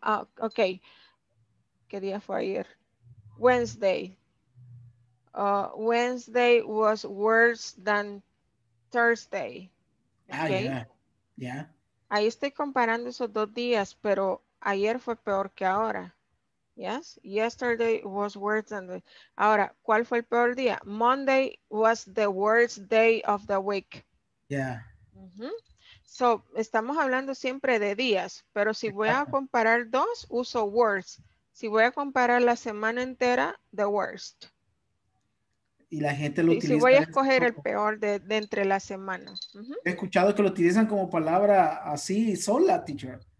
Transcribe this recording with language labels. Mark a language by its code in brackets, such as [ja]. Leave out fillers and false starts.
[es] Ah, ok, ¿qué día fue ayer? Wednesday. [en] Wednesday was worse than Thursday. Okay? Ah, yeah. Yeah. [es] Ahí estoy comparando esos dos días, pero ayer fue peor que ahora. [en] Yes, yesterday was worse than the... [es] Ahora, ¿cuál fue el peor día? [en] Monday was the worst day of the week. Yeah. Mm-hmm. [es] So, estamos hablando siempre de días, pero si voy a comparar dos, uso worse. Si voy a comparar la semana entera, the worst. Y la gente lo utiliza. Si voy a escoger el peor de entre las semanas. Uh-huh. He escuchado que lo utilizan como palabra así sola, teacher.